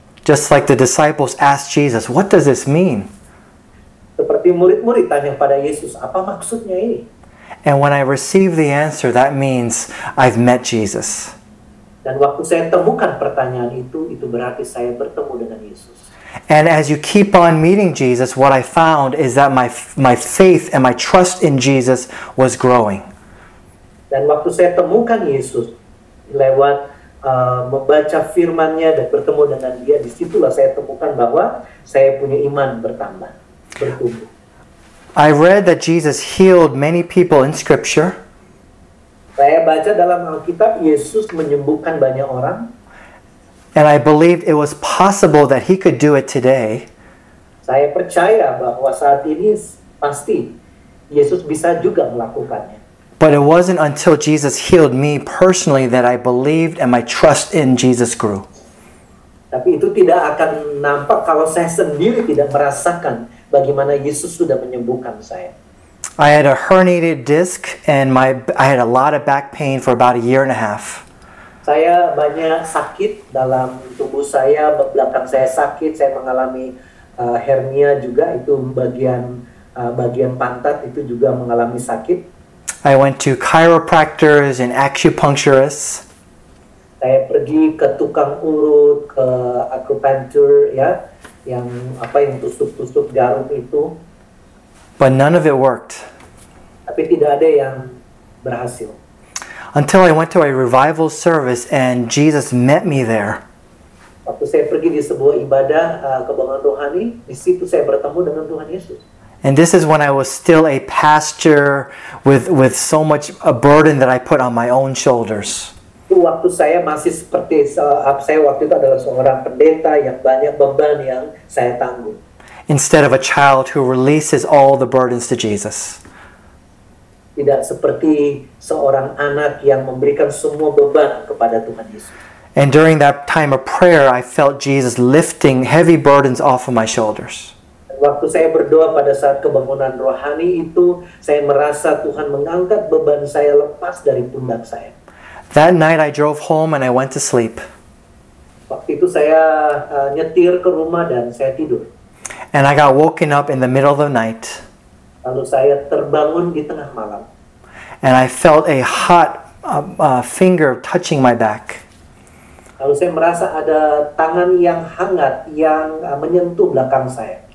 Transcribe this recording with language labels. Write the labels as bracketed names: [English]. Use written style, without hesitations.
[English] Just like the disciples asked Jesus, what does this mean? [Indonesian] Seperti murid-murid tanya pada Yesus, apa maksudnya ini? [English] And when I receive the answer, that means I've met Jesus. [Indonesian] Dan waktu saya temukan pertanyaan itu berarti saya bertemu dengan Yesus. [English] And as you keep on meeting Jesus, what I found is that my faith and my trust in Jesus was growing. [Indonesian] Dan waktu saya temukan Yesus lewat membaca firman-Nya dan bertemu dengan Dia, disitulah saya temukan bahwa saya punya iman bertambah, bertumbuh. [English] I read that Jesus healed many people in Scripture. [Indonesian] Saya baca dalam Alkitab Yesus menyembuhkan banyak orang. [English] And I believed it was possible that He could do it today. [Indonesian] Saya percaya bahwa saat ini pasti Yesus bisa juga melakukannya. [English] But it wasn't until Jesus healed me personally that I believed and my trust in Jesus grew. [Indonesian] Tapi itu tidak akan nampak kalau saya sendiri tidak merasakan bagaimana Yesus sudah menyembuhkan saya. [English] I had a herniated disc and I had a lot of back pain for about a year and a half. [Indonesian] Saya banyak sakit dalam tubuh saya, belakang saya sakit, saya mengalami hernia juga, itu bagian pantat itu juga mengalami sakit. [English] I went to chiropractors and acupuncturists. [Indonesian] Saya pergi ke tukang urut, ke acupuncture, ya, yang apa yang tusuk-tusuk jarum itu. [English] But none of it worked. [Indonesian] Tapi tidak ada yang berhasil. [English] Until I went to a revival service and Jesus met me there. [Indonesian] Waktu saya pergi di sebuah ibadah kebangunan rohani, di situ saya bertemu dengan Tuhan Yesus. [English] And this is when I was still a pastor with so much a burden that I put on my own shoulders. [Indonesian] Waktu saya masih seperti saya waktu itu adalah seorang pendeta yang banyak beban yang saya tanggung. [English] Instead of a child who releases all the burdens to Jesus. [Indonesian] Tidak seperti seorang anak yang memberikan semua beban kepada Tuhan Yesus. [English] And during that time of prayer, I felt Jesus lifting heavy burdens off of my shoulders. [Indonesian] Waktu saya berdoa pada saat kebangunan rohani itu, saya merasa Tuhan mengangkat beban saya lepas dari pundak saya. [English] That night I drove home and I went to sleep. [Indonesian] Waktu itu saya nyetir ke rumah dan saya tidur. [English] And I got woken up in the middle of the night. [Indonesian] Lalu saya terbangun di tengah malam. [English] And I felt a hot finger touching my back. [Indonesian] Lalu saya merasa ada tangan yang hangat yang menyentuh belakang saya.